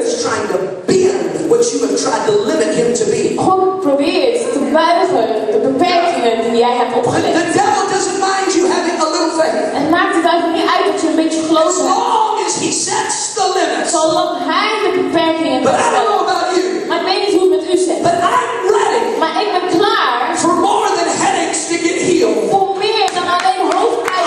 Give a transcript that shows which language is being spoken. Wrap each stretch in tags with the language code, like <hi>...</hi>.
<en>Is trying to bend what you have tried to limit him to be.</en> <nl>God probeert te buigen de beperkingen die jij hebt opgelegd.</nl> <en>The devil doesn't mind you having a little faith.</en> <nl>En maakt het eigenlijk niet uit dat je een beetje gelooft.</nl> <en>As long as he sets the limits.</en> <nl>Zolang hij de beperkingen.</nl> <en>But I don't know about you.</en> <nl>Maar ik weet niet hoe het met u zit.</nl> <en>But I'm ready.</en> <nl>Maar ik ben klaar.</nl> <en>For more than headaches to get healed.</en> <nl>Voor meer dan alleen hoofd.</nl>